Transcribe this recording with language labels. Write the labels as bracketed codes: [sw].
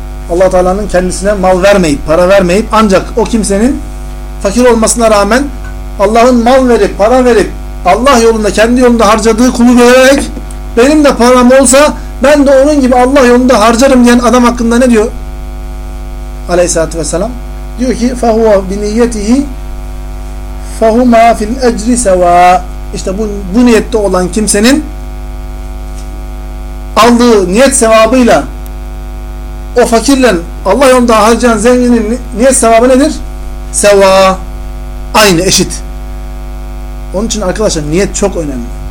[tr] Allah Teala'nın kendisine mal vermeyip, para vermeyip, ancak o kimsenin fakir olmasına rağmen Allah'ın mal verip, para verip Allah yolunda, kendi yolunda harcadığı kulu görerek benim de param olsa ben de onun gibi Allah yolunda harcarım diyen adam hakkında ne diyor Aleyhisselatü Vesselam? Diyor ki [ar] فَهُوَ بِنِيَّتِهِ فَهُمَا فِي الْاَجْرِ سَوَا. [tr] İşte bu niyette olan kimsenin aldığı niyet sevabıyla o fakirle Allah yolunda harcayan zenginin niyet sevabı nedir? Sevâ. Aynı, eşit. Onun için arkadaşlar niyet çok önemli.